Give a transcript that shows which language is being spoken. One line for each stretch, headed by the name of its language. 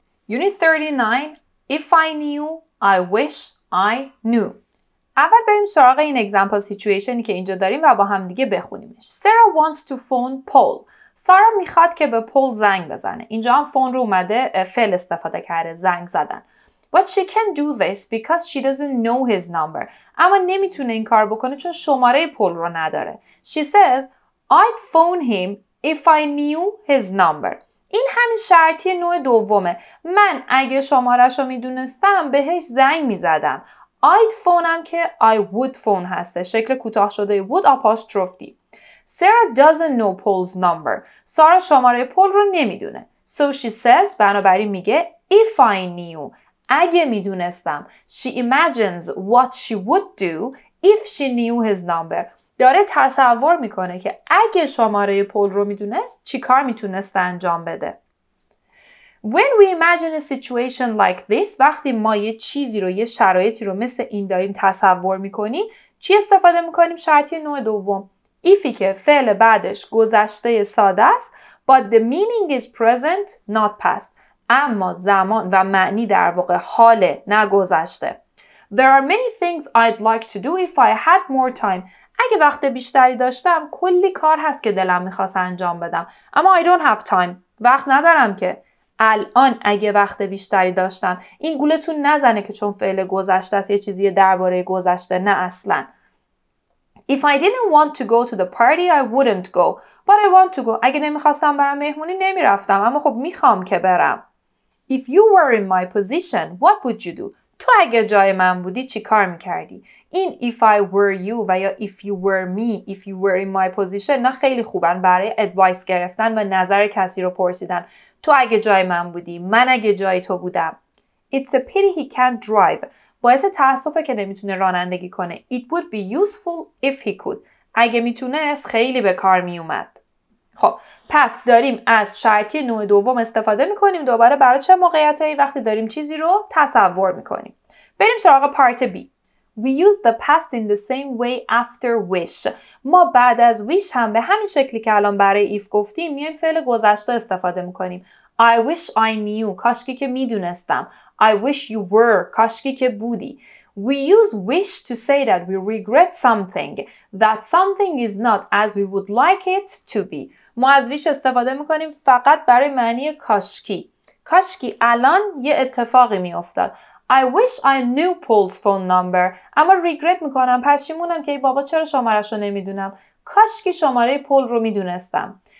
English: Unit 39. If I knew, I wish I knew.
Persian: اول بریم سراغ این example situationی که اینجا داریم و با هم دیگه بخونیمش.
English: Sarah wants to phone Paul.
Persian: سارا میخواد که به پول زنگ بزنه. اینجا هم فون رو اومده فعل استفاده کرده، زنگ زدن.
English: But she can do this because she doesn't know his number.
Persian: اما نمیتونه این کار بکنه چون شماره پول رو نداره.
English: She says, I'd phone him if I knew his number.
Persian: این همین شرطی نوع دومه. من اگه شمارهشو میدونستم بهش زنگ میزدم.
English: I'd phone
Persian: هم که
English: I would phone
Persian: هسته. شکل کوتاه شده
English: would apostrophe. Sarah doesn't know Paul's number.
Persian: سارا شماره پول رو نمیدونه.
English: So she says,
Persian: بنابراین میگه,
English: If I knew,
Persian: اگه میدونستم.
English: She imagines what she would do if she knew his number.
Persian: داره تصور میکنه که اگه شماره پول رو میدونست, چی کار میتونست انجام بده.
English: When we imagine a situation like this,
Persian: وقتی ما یه چیزی رو, یه شرایطی رو مثل این داریم تصور میکنیم, چی استفاده میکنیم؟ شرطی نوع دوم. ایفی که فعل بعدش گذشته ساده است
English: but the meaning is present not past
Persian: اما زمان و معنی در واقع حال نه گذشته
English: There are many things I'd like to do if I had more time
Persian: اگه وقت بیشتری داشتم کلی کار هست که دلم میخواست انجام بدم اما
English: I don't have time
Persian: وقت ندارم که الان اگه وقت بیشتری داشتم این گولتون نزنه که چون فعل گذشته است یه چیزی درباره گذشته نه اصلا
English: If I didn't want to go to the party, I wouldn't go. But I want to go.
Persian: اگه نمیخواستم برم مهمونی نمیرفتم. اما خب میخوام که برم.
English: If you were in my position, what would you do?
Persian: تو اگه جای من بودی چی کار میکردی؟ این
English: if I were you
Persian: و یا
English: if you were me, if you were in my position
Persian: نه خیلی خوبن برای advice گرفتن و نظر کسی رو پرسیدن. تو اگه جای من بودی، من اگه جای تو بودم.
English: It's a pity he can't drive.
Persian: باعث تأسفه که نمیتونه رانندگی کنه.
English: It would be useful if he could.
Persian: اگه میتونست خیلی به کار میومد. خب پس داریم از شرطی نوع دوم استفاده میکنیم دوباره برای چه موقعیتهایی وقتی داریم چیزی رو تصور میکنیم. بریم سراغ پارت B.
English: We use the past in the same way after wish.
Persian: ما بعد از wish هم به همین شکلی که الان برای if گفتیم میایم فعل گذشته استفاده میکنیم.
English: I wish I knew.
Persian: کاشکی که میدونستم.
English: I wish you were.
Persian: کاشکی که بودی.
English: We use wish to say that we regret something. That something is not as we would like it to be.
Persian: ما از wish استفاده میکنیم فقط برای معنی کاشکی. کاشکی الان یه اتفاقی میافتاد.
English: I wish I knew Paul's phone number.
Persian: اما regret میکنم پشیمونم که ای بابا چرا شمارش رو نمیدونم. کاشکی شماره پول رو میدونستم.